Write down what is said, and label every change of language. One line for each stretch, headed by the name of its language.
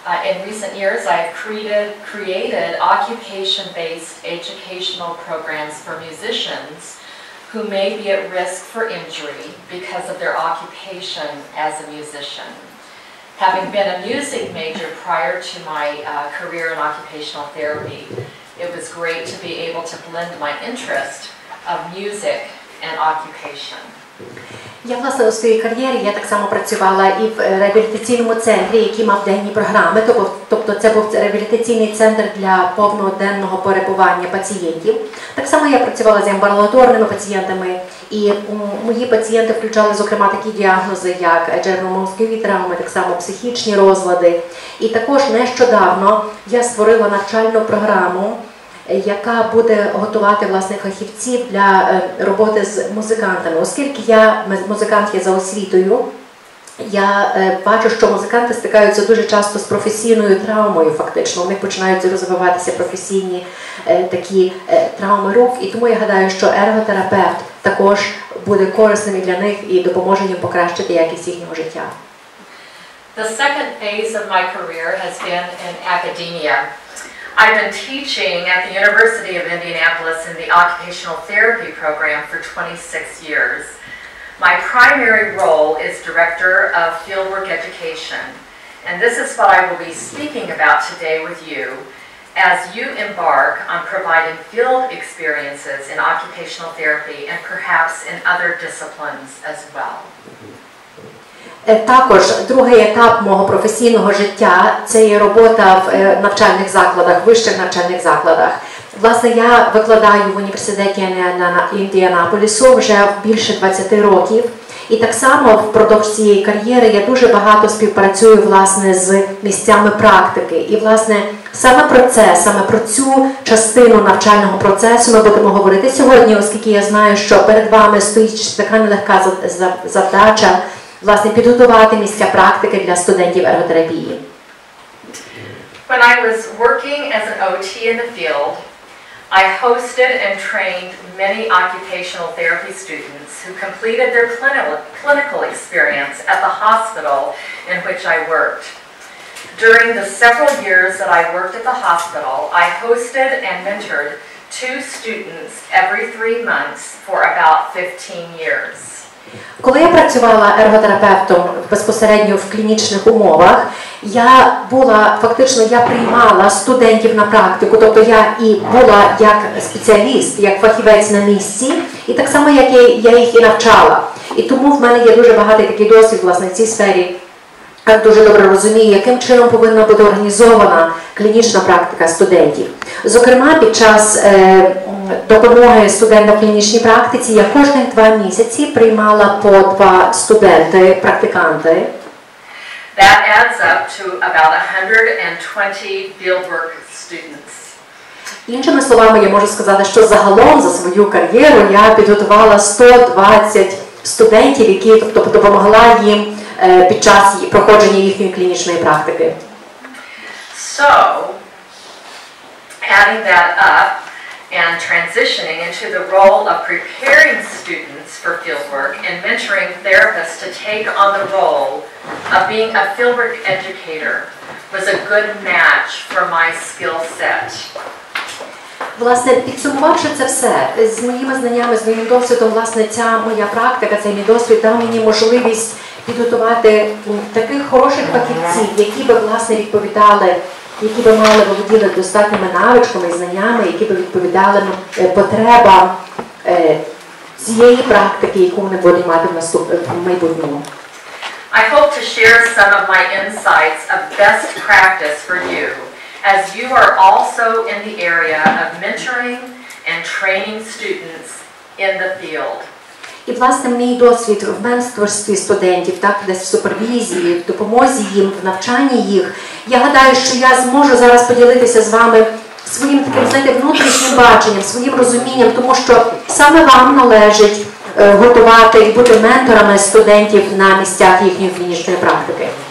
English: In recent years, I've created occupation-based educational programs for musicians who may be at risk for injury because of their occupation as a musician. Having been a music major prior to my career in occupational therapy, it was great to be able to blend my interest of music and occupation.
Ukrainian: Я, власне, у своїй кар'єрі я так само працювала і в реабілітаційному центрі, який мав денні програми, тобто це був реабілітаційний центр для повноденного перебування пацієнтів. Так само я працювала з амбулаторними пацієнтами, і мої пацієнти включали, зокрема, такі діагнози, як черепно-мозкові травми, так само психічні розлади. І також нещодавно я створила навчальну програму, яка буде готувати, власне, фахівців для роботи з музикантами. Оскільки я музикант є за освітою, я бачу, що музиканти стикаються дуже часто з професійною травмою, фактично. У них починаються розвиватися професійні такі травми рук. І тому я гадаю, що ерготерапевт також буде корисним для них і допоможе їм покращити якість їхнього життя.
English: The second phase of my career has been in academia. I've been teaching at the University of Indianapolis in the Occupational Therapy Program for 26 years. My primary role is Director of Fieldwork Education, and this is what I will be speaking about today with you as you embark on providing field experiences in occupational therapy and perhaps in other disciplines as well.
Ukrainian: Також другий етап мого професійного життя – це є робота в навчальних закладах, вищих навчальних закладах. Власне, я викладаю в університеті Індіанаполісу вже більше 20 років. І так само впродовж цієї кар'єри я дуже багато співпрацюю, власне, з місцями практики. І, власне, саме про це, саме про цю частину навчального процесу ми будемо говорити сьогодні, оскільки я знаю, що перед вами стоїть така нелегка завдача – власне, підготувати місця практики для студентів ерготерапії.
English: When I was working as an OT in the field, I hosted and trained many occupational therapy students who completed their clinical experience at the hospital in which I worked. During the several years that I worked at the hospital, I hosted and mentored two students every 3 months for about 15 years.
Ukrainian: Коли я працювала ерготерапевтом безпосередньо в клінічних умовах, я була, фактично, я приймала студентів на практику, тобто я і була як спеціаліст, як фахівець на місці, і так само, як я їх і навчала. І тому в мене є дуже багатий такий досвід, власне, в цій сфері. Я дуже добре розумію, яким чином повинна бути організована клінічна практика студентів. Зокрема, під час допомоги студента в клінічній практиці я кожні два місяці приймала по два студенти, практиканти.
English: That adds up to about 120 fieldwork students.
Ukrainian: Іншими словами, я можу сказати, що загалом за свою кар'єру я підготувала 120 студентів, які допомогла їм під час проходження їхньої клінічної практики.
English: So, adding that up and transitioning into the role of preparing students for fieldwork and mentoring therapists to take on the role of being a fieldwork educator was a good match for my skill set.
Ukrainian: Власне, підсумувавши це все, з моїми знаннями, з моїм досвідом, власне, ця моя практика, цей мій досвід дав мені можливість підготувати таких хороших фахівців, які би, власне, відповідали, які би мали володіли достатніми навичками і знаннями, які би відповідали потребам цієї практики, яку вони будуть мати в майбутньому.
English: I hope to share some of my insights of best practice for you, as you are also in the area of mentoring and training students in the field.
Ukrainian: І, власне, мій досвід в менторстві студентів, так, десь в супервізії, в допомозі їм, в навчанні їх, я гадаю, що я зможу зараз поділитися з вами своїм таким, знаєте, внутрішнім баченням, своїм розумінням, тому що саме вам належить готувати і бути менторами студентів на місцях їхньої клінічної практики.